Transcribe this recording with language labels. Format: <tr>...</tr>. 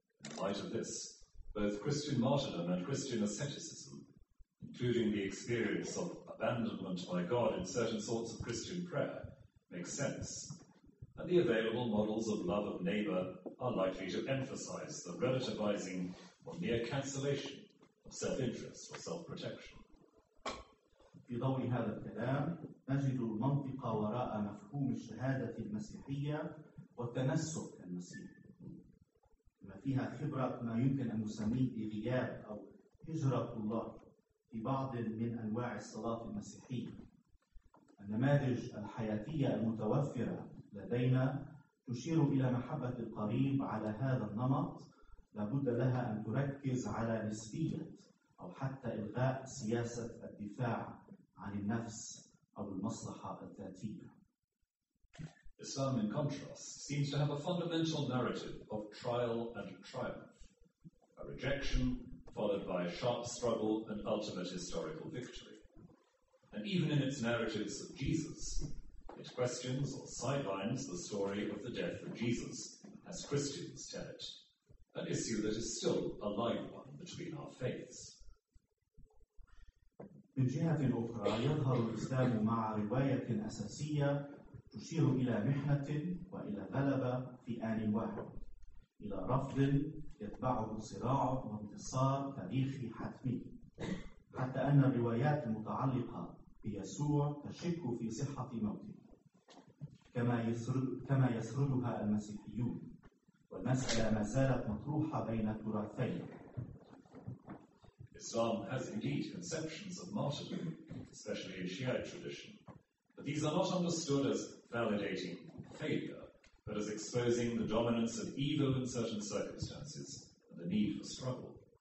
<en>In light of this, both Christian martyrdom and Christian asceticism, including the experience of abandonment by God in certain sorts of Christian prayer, make sense, and the available models of love of neighbor are likely to emphasize the relativizing or near cancellation of self-interest or self-protection.</en> <ar>في ضوء هذا الكلام نجد المنطقة وراء مفهوم الشهادة المسيحية والتنسك المسيحي ما فيها خبرة ما يمكن أن نسميه بغياب أو هجرة الله في بعض من أنواع الصلاة المسيحية النماذج الحياتية المتوفرة لدينا تشير إلى محبة القريب على هذا النمط لابد لها أن تركز على نسبية أو حتى إلغاء سياسة الدفاع عن النفس أو المصلحة الذاتية.</ar> <en>Islam, in contrast, seems to have a fundamental narrative of trial and triumph, a rejection followed by a sharp struggle and ultimate historical victory. And even in its narratives of Jesus, it questions or sidelines the story of the death of Jesus, as Christians tell it, an issue that is still a live one between our faiths.</en> <ar>من جهة أخرى يظهر الإسلام مع رواية أساسية تشير إلى محنة وإلى غلبة في آن واحد إلى رفض يتبعه صراع وانتصار تاريخي حتمي حتى أن الروايات المتعلقة بيسوع تشك في صحة موته كما يسردها المسيحيون والمسألة ما زالت مطروحة بين تراثين</ar> <en>Islam has indeed conceptions of martyrdom, especially in Shiite tradition, but these are not understood as validating failure, but as exposing the dominance of evil in certain circumstances and the need for struggle.</en>